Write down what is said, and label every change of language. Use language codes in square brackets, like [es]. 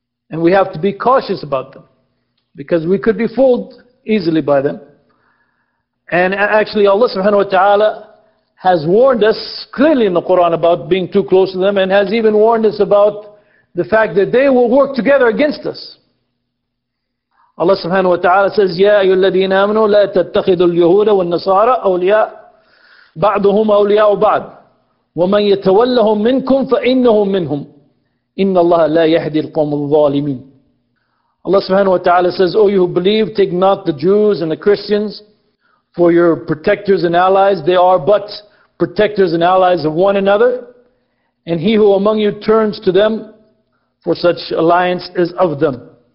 [en] And we have to be cautious about them. Because we could be fooled easily by them. And actually Allah subhanahu wa ta'ala has warned us clearly in the Quran about being too close to them and has even warned us about the fact that they will work together against us. Allah subhanahu wa ta'ala says, [ar] يَا أَيُّ الَّذِينَ آمَنُوا لَا تَتَّخِذُوا الْيَهُودَ وَالنَّصَارَ أَوْلِيَاءَ بَعْضُهُمْ أَوْلِيَاءُ بَعْضٍ وَمَنْ يَتَوَلَّهُمْ مِنْكُمْ فَإِنَّهُمْ مِنْهُمْ إِنَّ اللَّهَ لَا يَهْدِي الْقَوْمَ الظَّالِمِينَ. [en] Allah subhanahu wa ta'ala says, O you who believe, take not the Jews and the Christians for your protectors and allies. They are but protectors and allies of one another. And he who among you turns to them for such alliance is of them.